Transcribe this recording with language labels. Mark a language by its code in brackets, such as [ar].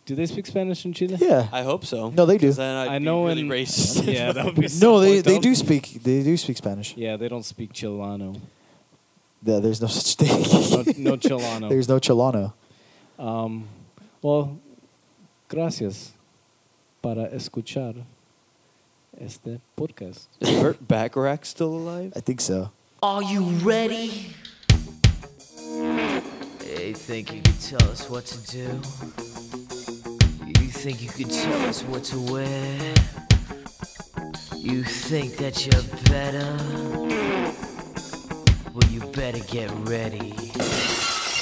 [en] Do they speak Spanish in Chile? Yeah, I hope so. No, they do. I know. Really racist. Yeah, that would be. No, they do speak. They do speak Spanish. Yeah, they don't speak Chilano. Yeah, there's no such thing. No Chilano. There's no Chilano. [es] Well, gracias para escuchar este podcast. [en] Is Bert Bacharach still alive? I think so. Are you ready? Hey, you think you could tell us what to do? You think you could tell us what to wear? You think that you're better? Well, you better get ready.